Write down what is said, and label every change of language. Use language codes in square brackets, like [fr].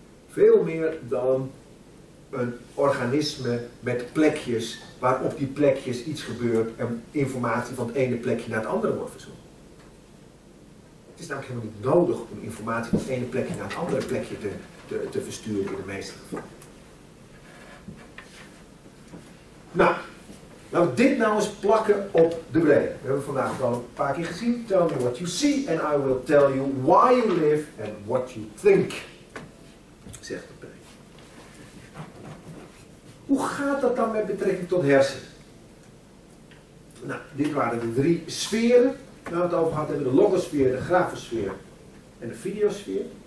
[nl] Veel meer dan een organisme met plekjes waar op die plekjes iets gebeurt en informatie van het ene plekje naar het andere wordt verzonden. Het is namelijk helemaal niet nodig om informatie van het ene plekje naar het andere plekje te versturen in de meeste gevallen. Nou, Laten we dit nou eens plakken op de brein. We hebben vandaag al een paar keer gezien. [en] Tell me what you see and I will tell you why you live and what you think. [nl] Zegt de brein. Hoe gaat dat dan met betrekking tot hersenen? Nou, dit waren de drie sferen waar we het over gehad hebben. De logosfeer, de grafosfeer en de videosfeer.